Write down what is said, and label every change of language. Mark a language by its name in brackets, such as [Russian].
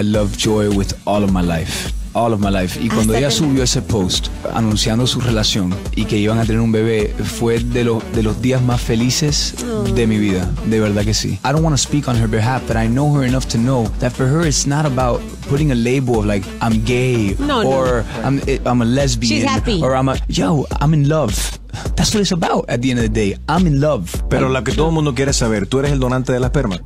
[English] I love Joy with all of my life. All of my life. [Spanish] Y cuando ella subió ese post anunciando su relación y que iban a tener un bebé, fue de los días más felices de mi vida. De verdad que sí. [English] I don't want to speak on her behalf, but I know her enough to know that for her it's not about putting a label of like I'm gay I'm a lesbian. She's happy. Or I'm in love. That's what it's about at the end of the day. I'm in love. [Spanish] Pero lo que todo el mundo quiere saber, ¿tú eres el donante de la esperma?